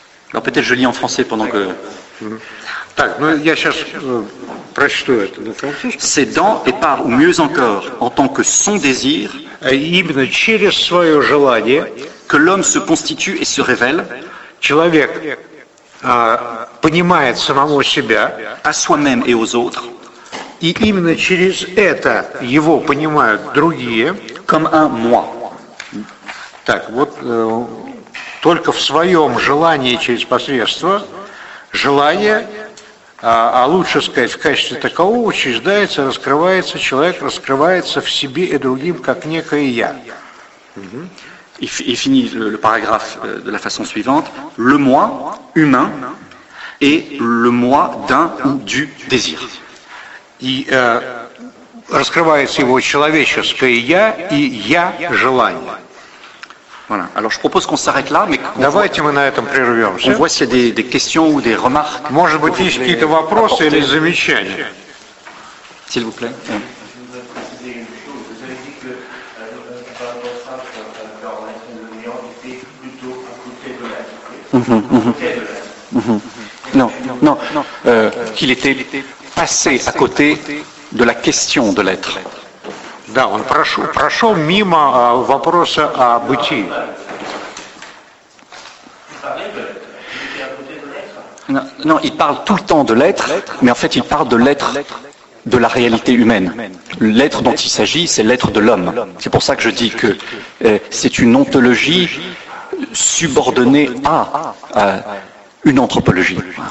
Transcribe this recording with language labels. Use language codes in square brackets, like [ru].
[fr] Alors peut-être je lis en français pendant que. [ru] Так, ну я сейчас прочту это на французском. [fr] Ses dents épars ou mieux encore en tant que son désir. [ru] Именно через свое желание. [fr] Que l'homme se constitue et se révèle. [ru] Человек понимает самого себя. [fr] À soi-même et aux autres. [ru] И именно через это его понимают другие. [fr] Comme un moi. [ru] Так, вот только в своем желании через посредство желания, а лучше сказать в качестве такового, учреждается, раскрывается, человек раскрывается в себе и другим, как некое «я». И [fr] finit le paragraphe de la façon suivante. Le moi humain et le moi d'un ou du désir. [ru] И раскрывается его человеческое «я» и «я» желание. [fr] Voilà. Alors, je propose qu'on s'arrête là, mais [ru] давайте мы на этом прервемся. [fr] On voit s'il y a des questions ou des remarques. [ru] Может быть, есть какие-то вопросы или замечания. [fr] S'il vous plaît. Oui. Non, qu'il était passé à côté de la question de l'être. [ru] Да, он прошел мимо вопроса о бытии. [fr] Non, il parle tout le temps de l'être, mais en fait il parle de l'être de la réalité humaine. L'être dont il s'agit, c'est l'être de l'homme. C'est pour ça que je dis que c'est une ontologie subordonnée à une anthropologie.